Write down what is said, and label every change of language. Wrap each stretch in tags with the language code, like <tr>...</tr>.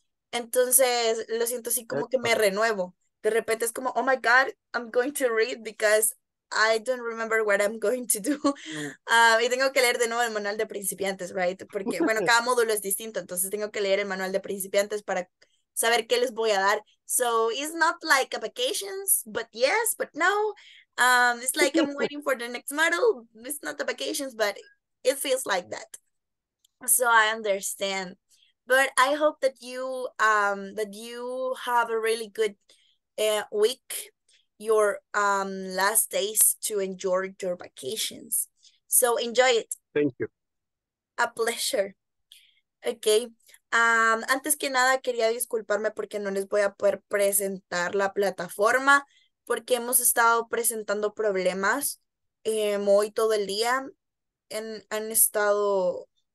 <es>Entonces, lo siento así como que me renuevo. De repente es como,</es> <en>oh my God, I'm going to read because I don't remember what I'm going to do.</en> <es>Y tengo que leer de nuevo el manual de principiantes, right? Porque, bueno, cada módulo es distinto. Entonces, tengo que leer el manual de principiantes para saber qué les voy a dar.</es> <en>So it's not like a vacations, but yes, but no. It's like I'm waiting for the next model. It's not the vacations, but it feels like that. So I understand. But I hope that you have a really good week, your last days to enjoy your vacations. So enjoy it. Thank you. A pleasure. Okay.</en> <es>Antes que nada, quería disculparme porque no les voy a poder presentar la plataforma porque hemos estado presentando problemas hoy todo el día. Han estado</es>